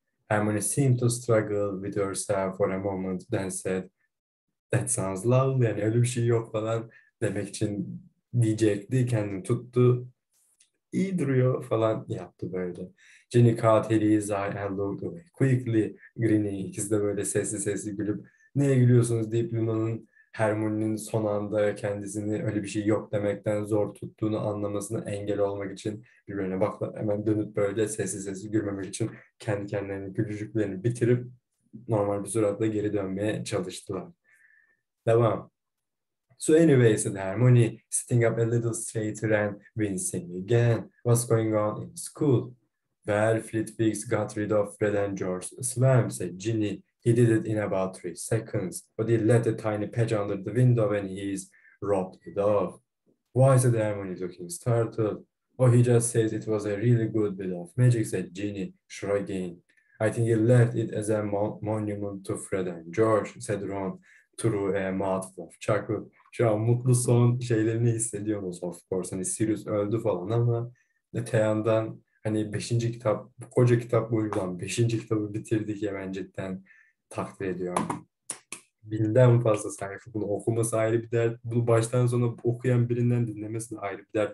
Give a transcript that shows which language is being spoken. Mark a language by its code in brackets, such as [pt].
[en] Hermione seemed to struggle with herself for a moment, then said, that sounds lovely, [tr] yani öyle bir şey yok falan demek için diyecekti, kendini tuttu. İyi duruyor falan yaptı böyle. [en] Ginny caught Harry's eye and looked away quickly, grinning. [tr] İkisi de böyle sessiz sessiz gülüp neye gülüyorsunuz deyip Luna'nın Hermione'nin son anda kendisini öyle bir şey yok demekten zor tuttuğunu anlamasına engel olmak için birbirine baklar hemen dönüp böyle sessiz sessiz gülmemek için kendi kendilerini gülücüklerini bitirip normal bir suratla geri dönmeye çalıştılar. Devam. [en] So anyway, said Hermione, sitting up a little straighter and wincing again. What's going on in school? Well, Flitwick's got rid of Fred and George Swam, said Ginny. He did it in about 3 seconds, but he let a tiny patch under the window when he's robbed it off. Why, said Hermione, looking startled. Oh, he just says it was a really good bit of magic, said Ginny, shrugging. I think he left it as a monument to Fred and George, said Ron, through a mouthful of chocolate. [tr] Şu an mutlu son şeylerini hissediyoruz [en] of course. [tr] Hani Sirius öldü falan ama öte yandan hani 5. kitap, koca kitap boyunca 5. kitabı bitirdik ya ben cidden takdir ediyorum. 1000'den fazla sayfa bunu okuması ayrı bir dert. Bunu baştan sona okuyan birinden dinlemesi de ayrı bir dert.